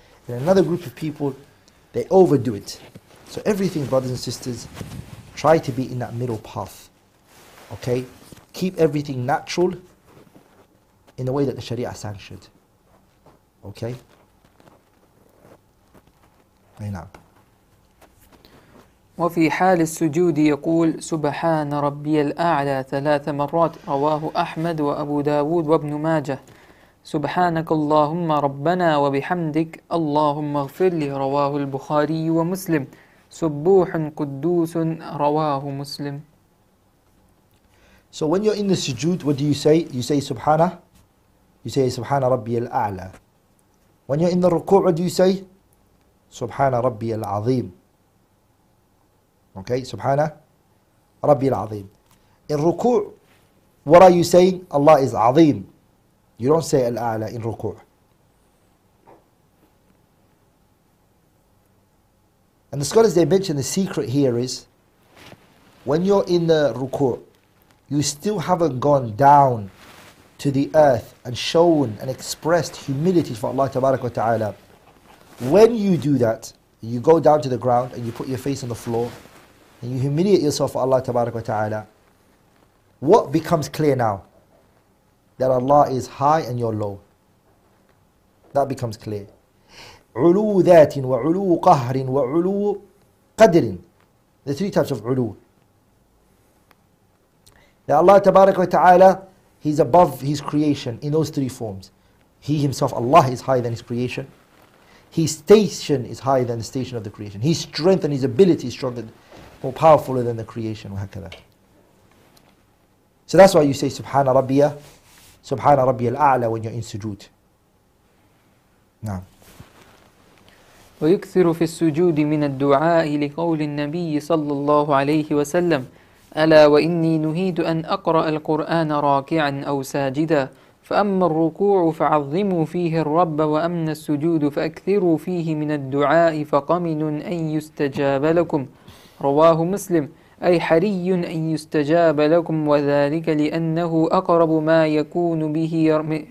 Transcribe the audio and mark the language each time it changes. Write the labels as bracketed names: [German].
[English] And another group of people, they overdo it. So everything, brothers and sisters, try to be in that middle path, okay? Keep everything natural in the way that the Sharia sanctioned, okay? Aynab. [Arabic] وفي حال السجود يقول سبحان ربي الأعلى ثلاث مرات رواه أحمد وأبو داود وابن ماجه سبحانك اللهم ربنا وبحمدك اللهم اغفر لي رواه البخاري ومسلم سبوح قدوس رواه مسلم. [English] So when you're in the sujood, what do you say? You say سبحانه. You say [Arabic] سبحان ربي الأعلى. [English] When you're in the ركوع, what do you say? [Arabic] سبحان ربي العظيم. [English] Okay, [Arabic] سبحان ربي العظيم. [English] In ركوع, what are you saying? Allah is عظيم. You don't say الأعلى in ركوع. And the scholars, they mention the secret here is when you're in the ruku', you still haven't gone down to the earth and shown and expressed humility for Allah tabarak wa ta'ala. When you do that, you go down to the ground and you put your face on the floor and you humiliate yourself for Allah tabarak wa ta'ala, what becomes clear now? That Allah is high and you're low. That becomes clear. [Arabic] علو ذات وعلو قهر وعلو قدر. [English] The three types of علو. That Allah تبارك وتعالى, He's above His creation in those three forms. He Himself, Allah, is higher than His creation. His station is higher than the station of the creation. His strength and His ability is stronger, more powerful than the creation. وهكذا. So that's why you say [Arabic] Subhana Rabbiya, Subhana Rabbiya al-A'la [English] when you're in sujood. [Arabic] Naam. ويكثر في السجود من الدعاء لقول النبي صلى الله عليه وسلم ألا وإني نهيت أن أقرأ القرآن راكعا أو ساجدا فأما الركوع فعظموا فيه الرب وأما السجود فأكثروا فيه من الدعاء فقمن أن يستجاب لكم رواه مسلم أي حري أن يستجاب لكم وذلك لأنه أقرب ما يكون به